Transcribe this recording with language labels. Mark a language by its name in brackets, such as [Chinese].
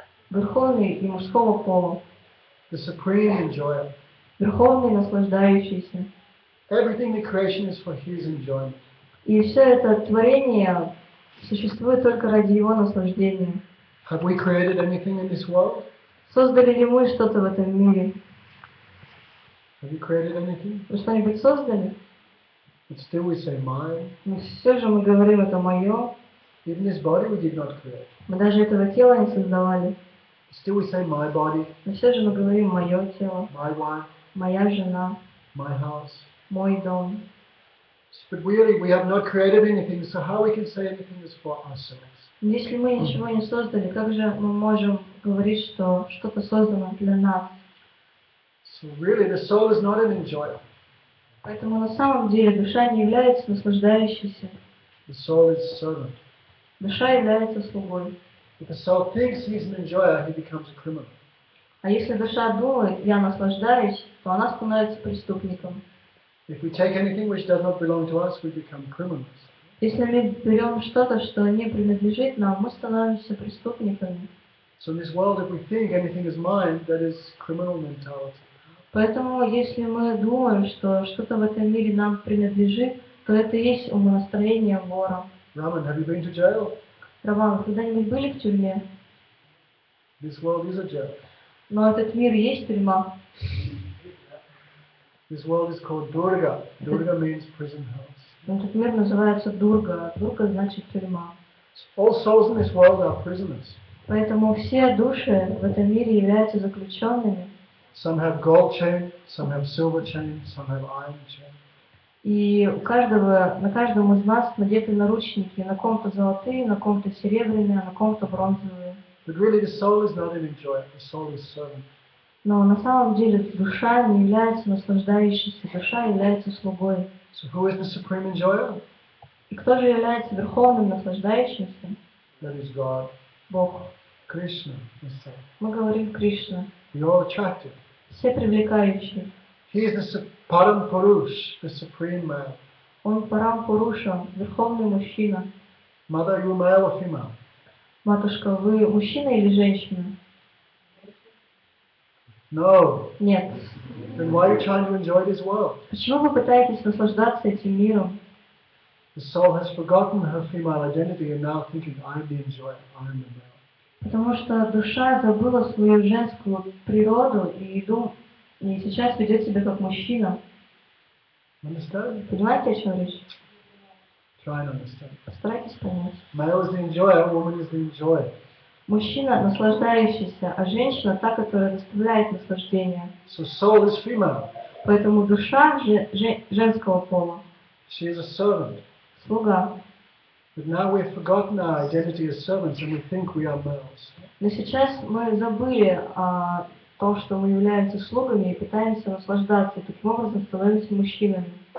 [Russian] Верховный и мужского пола. [English] The supreme enjoyer. [Russian] Верховный наслаждающийся. [English] Everything in creation is for his enjoyment. [Russian] И все это творение существует только ради его наслаждения. [English] Have we created anything in this world? [Russian] Создали ли мы что-то в этом мире? [English] Have you created anything? [Russian] Вы что-нибудь создали? [English] But still we say mine. [Russian] Но все же мы говорим, это мое. [English] Even this body we did not create. [Russian] Мы даже этого тела не создавали. [English] Still we say my body. [Russian] Но все же мы говорим, мое тело. [English] My wife. [Russian] Моя жена. [English] My house. [Russian] Мой дом. [English] But really, we have not created anything, so how we can say anything is for ourselves? [Russian] Если мы ничего не создали, как же мы можем говорить, что что-то создано для нас? [English] So really, the soul is not an enjoyer. [Russian] Поэтому на самом деле душа не является наслаждающейся. [English] The soul is servant. [Russian] Душа является слугой. [English] If the soul thinks he's an enjoyer, he becomes a criminal. [Russian] А если душа думает, я наслаждаюсь, то она становится преступником. [English] If we take anything which does not belong to us, we become criminals. [Russian] Если мы берем что-то, что не принадлежит нам, мы становимся преступниками. [English] So in this world, if we think anything is mine, that is criminal mentality. [Russian] Поэтому, если мы думаем, что что-то в этом мире нам принадлежит, то это и есть умонастроение вора. [English] Raman, have you been to jail? [Russian] Раман, когда-нибудь были в тюрьме? [English] This world is a jail. [Russian] Но этот мир есть тюрьма. [English] This world is called Durga. Durga means prison house. [Russian] Этот мир называется Дурга. Дурга значит тюрьма. [English] All souls in this world are prisoners. [Russian] Поэтому все души в этом мире являются заключенными. [English] Some have gold chain, some have silver chain, some have iron chain. [Russian] И у каждого, на каждом из нас надеты наручники, на ком-то золотые, на ком-то серебряные, на ком-то бронзовые. [English] But really, the soul is not an enjoyer. The soul is servant. [Russian] Но на самом деле душа не является наслаждающейся, душа является слугой. [English] So who is the supreme enjoyer? [Russian] И кто же является верховным наслаждающимся? [English] That is God. [Russian] Бог. [English] Krishna, himself. [Russian] Мы говорим Кришна. [English] We all attractive. [Russian] Все привлекающие. [English] He is the Parampurush, the supreme male. [Russian] Он Парампуруша, верховный мужчина. [English] Mother, you male or female? [Russian] Матушка, вы мужчина или женщина? [English] No. [Russian] Нет. [English] Then why are you trying to enjoy this world? [Russian] Почему вы пытаетесь наслаждаться этим миром? [English] The soul has forgotten her female identity and now thinking I'm the enjoyer, I'm the male. [Russian] Потому что душа забыла свою женскую природу и еду, и сейчас ведет себя как мужчина. [English] Understand? [Russian] Понимаете, о чем речь? [English] Try and understand. [Russian] Постарайтесь понять. [English] Male is the enjoyer, woman is the enjoyer. [Russian] Мужчина – наслаждающийся, а женщина – та, которая доставляет наслаждение. [English] So soul is female. [Russian] Поэтому душа женского пола. [English] She is a servant. [Russian] Слуга. [English] But now we have forgotten our identity as servants and we think we are males. [Russian] Но сейчас мы забыли о том, что мы являемся слугами и пытаемся наслаждаться. Таким образом становимся мужчинами.